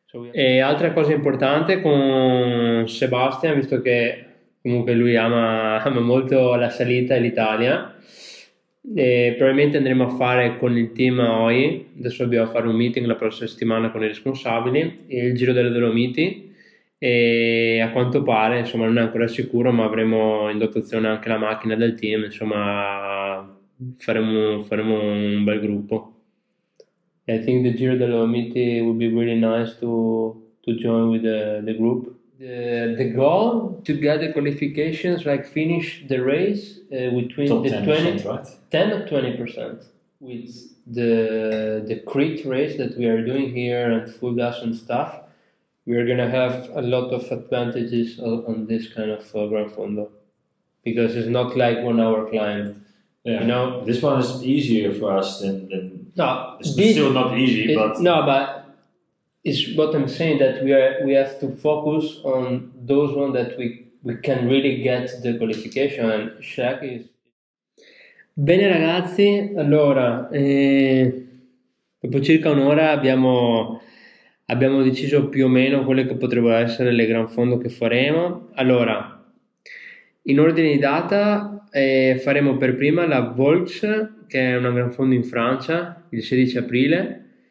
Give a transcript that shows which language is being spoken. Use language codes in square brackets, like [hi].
[it] E altra cosa importante con Sebastian, visto che comunque lui ama molto la salita e l'Italia, e probabilmente andremo a fare con il team AOI, adesso dobbiamo fare un meeting la prossima settimana con i responsabili, il Giro delle Dolomiti, e a quanto pare, insomma non è ancora sicuro, ma avremo in dotazione anche la macchina del team, insomma faremo un bel gruppo. [en] I think the Giro delle Dolomiti would be really nice to join with the group. The goal to get the qualifications, like finish the race between top the 20, right? 10 or 20% with the crit race that we are doing here and full gas and stuff, we are gonna have a lot of advantages on this kind of Gran Fondo, because it's not like 1 hour climb. Yeah, you know, this one is easier for us than no, it's still not easy, but is what I'm saying, that we have to focus on those ones that we can really get the qualification, and Shaq is... [it] Bene ragazzi, allora, dopo circa un'ora abbiamo deciso più o meno quelle che potrebbero essere le Gran Fondo che faremo. Allora, In ordine di data, faremo per prima la Volx, che è una Gran Fondo in Francia, il 16 aprile.